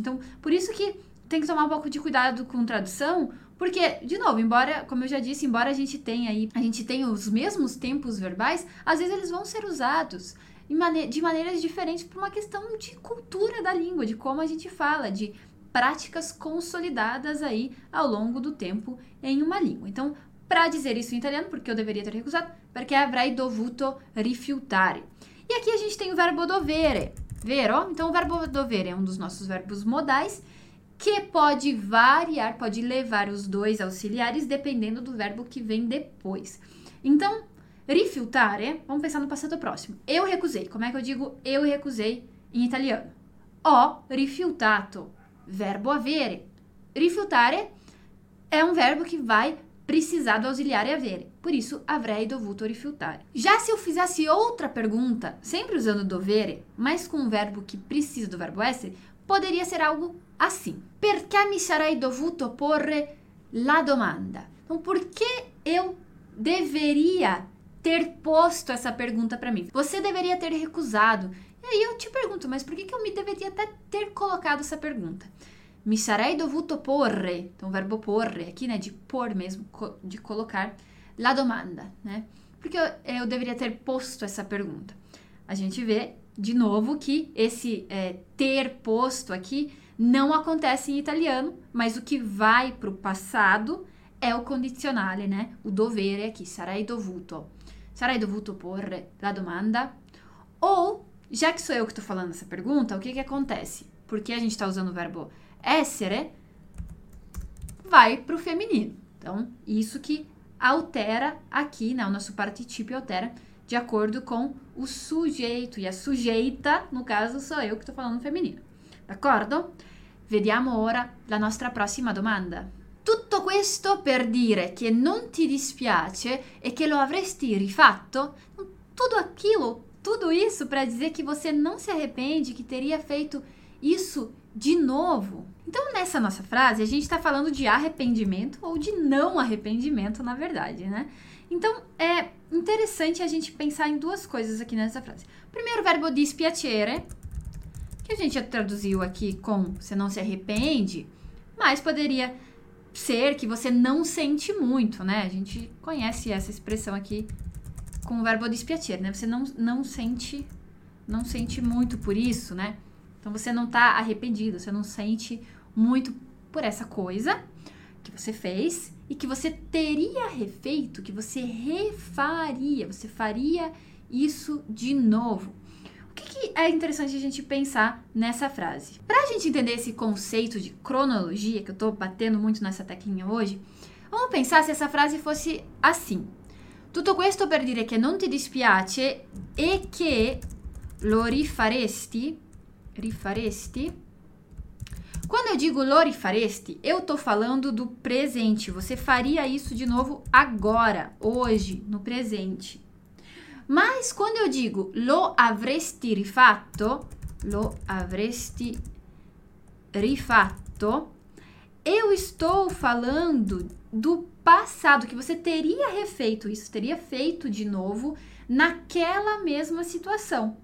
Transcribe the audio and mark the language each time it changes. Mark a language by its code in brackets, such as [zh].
[pt] Então, por isso que tem que tomar um pouco de cuidado com tradução, porque, de novo, embora, como eu já disse, embora a gente tenha os mesmos tempos verbais, às vezes eles vão ser usados de maneiras diferentes por uma questão de cultura da língua, de como a gente fala, de práticas consolidadas aí ao longo do tempo em uma língua. Então, para dizer isso em italiano, porque eu deveria ter recusado? [it] Perché avrei dovuto rifiutare. [pt] E aqui a gente tem o verbo dovere, vero? Então, o verbo dovere é um dos nossos verbos modais que pode variar, pode levar os dois auxiliares dependendo do verbo que vem depois. Então, rifiutare, vamos pensar no passado próximo. Eu recusei. Como é que eu digo eu recusei em italiano? [it] Ho rifiutato. [pt] Verbo avere. Rifiutare é um verbo que vai precisar do ausiliar avere. Por isso, [it] avrei dovuto rifiutare. [pt] Já se eu fizesse outra pergunta, sempre usando dovere, mas com um verbo que precisa do verbo essere, poderia ser algo assim. [it] Perché mi sarei dovuto porre la domanda? [pt] Então, por que eu deveria ter posto essa pergunta para mim? Você deveria ter recusado. E aí eu te pergunto, mas por que que eu me deveria até ter colocado essa pergunta? [it] Mi sarei dovuto porre, [pt] então o verbo porre aqui, né, de pôr mesmo, de colocar, la domanda, né? Porque eu deveria ter posto essa pergunta. A gente vê, de novo, que esse ter posto aqui não acontece em italiano, mas o que vai para o passado é o condizionale, né? O dovere aqui, [it] sarei dovuto porre la domanda, [pt] ou já que sou eu que estou falando essa pergunta, o que que acontece? Porque a gente está usando o verbo essere, vai para o feminino. Então, isso que altera aqui, né? O nosso participio altera de acordo com o sujeito. E a sujeita, no caso, sou eu que estou falando feminino. [it] D'accordo? Vediamo ora la nostra prossima domanda. Tutto questo per dire che non ti dispiace e che lo avresti rifatto? [pt] Tudo aquilo. Tudo isso para dizer que você não se arrepende, que teria feito isso De novo. Então, nessa nossa frase, a gente está falando de arrependimento ou de não arrependimento, na verdade, né? Então, é interessante a gente pensar em duas coisas aqui nessa frase. Primeiro, o verbo dispiacere, que a gente já traduziu aqui com você não se arrepende, mas poderia ser que você não sente muito, né? A gente conhece essa expressão aqui com o verbo dispiacere, né? Você não sente muito por isso, né? Então, você não está arrependido, você não sente muito por essa coisa que você fez e que você teria refeito, que você refaria, você faria isso de novo. O que, que é interessante a gente pensar nessa frase? Para a gente entender esse conceito de cronologia, que eu estou batendo muito nessa teclinha hoje, vamos pensar se essa frase fosse assim. [it] Tutto questo per dire che non ti dispiace e che lo rifaresti. Rifaresti. [pt] Quando eu digo [it] lo rifaresti, [pt] eu tô falando do presente. Você faria isso de novo agora, hoje, no presente. Mas quando eu digo [it] lo avresti rifatto, lo avresti rifatto, [pt] eu estou falando do passado, que você teria refeito isso, teria feito de novo naquela mesma situação.